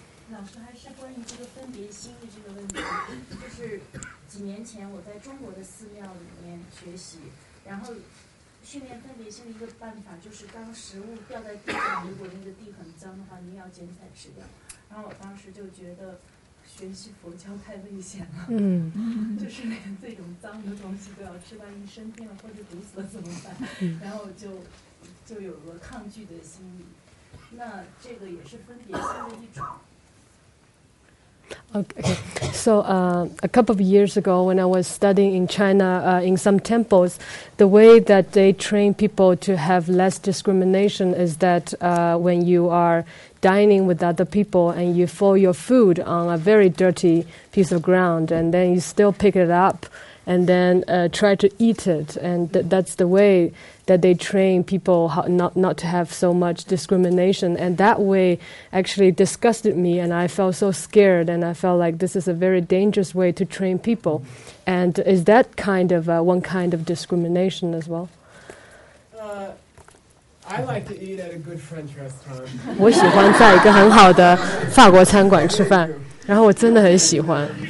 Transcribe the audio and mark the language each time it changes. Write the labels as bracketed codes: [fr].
[zh] 老师，还是关于这个分别心的这个问题，就是几年前我在中国的寺庙里面学习，然后训练分别心的一个办法就是当食物掉在地上，如果那个地很脏的话你要捡起来吃掉，然后我当时就觉得学习佛教太危险了，就是连这种脏的东西都要吃，万一生病了或者毒死了怎么办，然后就有了抗拒的心理，那这个也是分别心的一种。 [en] Okay, so a couple of years ago when I was studying in China, in some temples, the way that they train people to have less discrimination is that when you are dining with other people and you fall your food on a very dirty piece of ground and then you still pick it up and then try to eat it, and that's the way that they train people not to have so much discrimination, and that way actually disgusted me and I felt so scared and I felt like this is a very dangerous way to train people. And is that kind of one kind of discrimination as well? I like to eat at a good French restaurant. [zh] 我喜欢在一个很好的法国餐馆吃饭，然后我真的很喜欢。